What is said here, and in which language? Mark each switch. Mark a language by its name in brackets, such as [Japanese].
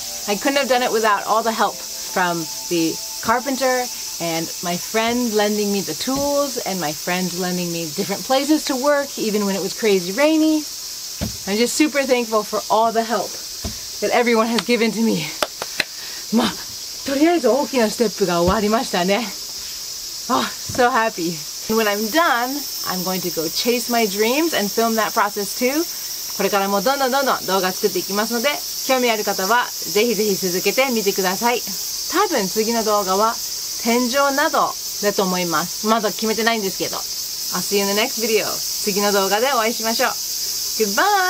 [English] I couldn't have done it without all the help from the carpenter and my friend lending me the tools and my friend lending me different places to work even when it was crazy rainy. I'm just super thankful for all the help that everyone has given to me. [Japanese] まあ、とりあえず大きなステップが終わりましたね。 [English] Oh, so happy. And when I'm done, I'm going to go chase my dreams and film that process too. [Japanese] これからもどんどんどんどん動画作っていきますので、興味ある方はぜひぜひ続けてみてください。多分次の動画は天井などだと思います。まだ決めてないんですけど。 [English] I'll see you in the next video. [Japanese] 次の動画でお会いしましょう。